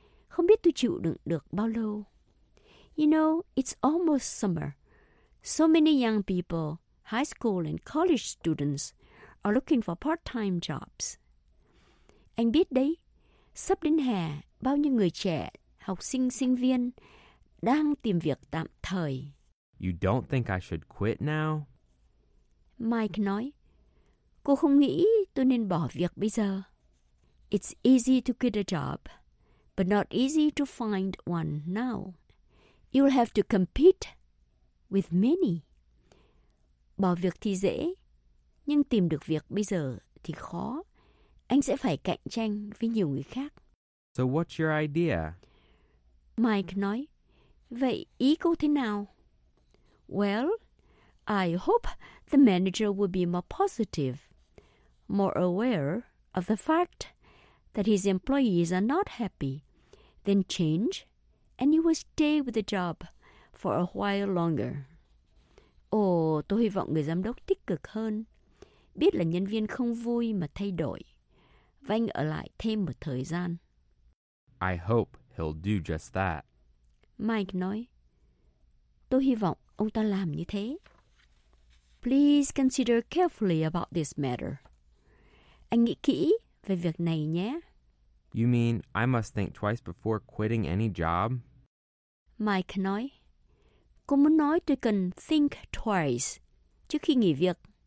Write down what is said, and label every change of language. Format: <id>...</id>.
<vi>Không biết tôi chịu đựng được bao lâu.</vi> <en>You know, it's almost summer. So many young people, high school and college students, are looking for part-time jobs.</en> <vi>Anh biết đấy, sắp đến hè, bao nhiêu người trẻ, học sinh, sinh viên đang tìm việc tạm thời.</vi> <en>You don't think I should quit now?</en> <vi>Mike nói, cô không nghĩ tôi nên bỏ việc bây giờ.</vi> <en>It's easy to quit a job, but not easy to find one now. You'll have to compete with many.</en> <vi>Bỏ việc thì dễ, nhưng tìm được việc bây giờ thì khó. Anh sẽ phải cạnh tranh với nhiều người khác.</vi> <en>So what's your idea?</en> <vi>Mike nói, vậy ý cô thế nào?</vi> <en>Well, I hope the manager will be more positive, more aware of the fact that his employees are not happy. Then change, and you will stay with the job for a while longer.</en> <vi>Tôi hy vọng người giám đốc tích cực hơn, biết là nhân viên không vui mà thay đổi, và anh ở lại thêm một thời gian.</vi> <en>I hope he'll do just that.</en> <vi>Mike nói, tôi hy vọng ông ta làm như thế.</vi> <en>Please consider carefully about this matter.</en> <vi>Anh nghĩ kỹ về việc này nhé.</vi> <en>You mean I must think twice before quitting any job?</en> <vi>Mike nói, cô muốn nói tôi cần</vi> <en>think twice</en> <vi>trước khi nghỉ việc.</vi>